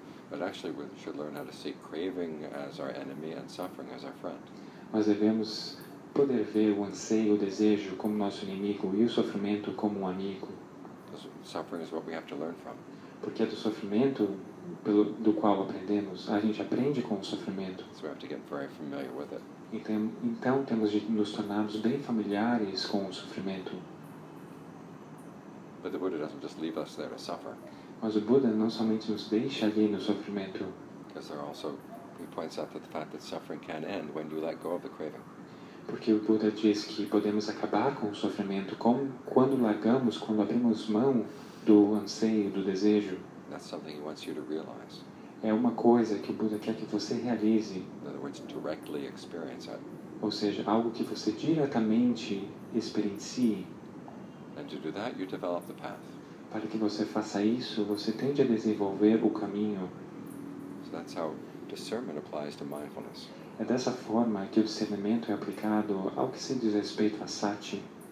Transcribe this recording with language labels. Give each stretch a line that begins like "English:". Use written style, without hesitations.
English: But actually we should learn how to see craving as our enemy and suffering as our friend.
Portuguese: Mas devemos poder ver o anseio, o desejo como nosso inimigo e o sofrimento como um amigo.
English: Suffering is what we have to learn from.
Portuguese: Porque é do sofrimento do qual aprendemos, a gente aprende com o sofrimento.
English: So we have to get very familiar with it.
Portuguese: Então temos de nos tornarmos bem familiares com o sofrimento.
English: But the Buddha doesn't just leave us there to suffer.
Portuguese: Mas o Buda não somente nos deixa ali no sofrimento.
English: Because there also he points out that the fact that suffering can end when you let go of the craving.
Portuguese: Porque o Buda diz que podemos acabar com o sofrimento quando abrimos mão do anseio, do desejo.
English: That's something he wants you to realize.
Portuguese: É uma coisa que o Buda quer que você realize.
English: In other words, directly experience it.
Portuguese: Ou seja, algo que você diretamente experiencie.
English: And to do that, you develop the path.
Portuguese: Para que você faça isso, você tende a desenvolver o caminho.
English: So that's how discernment applies to mindfulness.
Portuguese: É dessa forma que o discernimento é aplicado ao que se diz respeito à sati.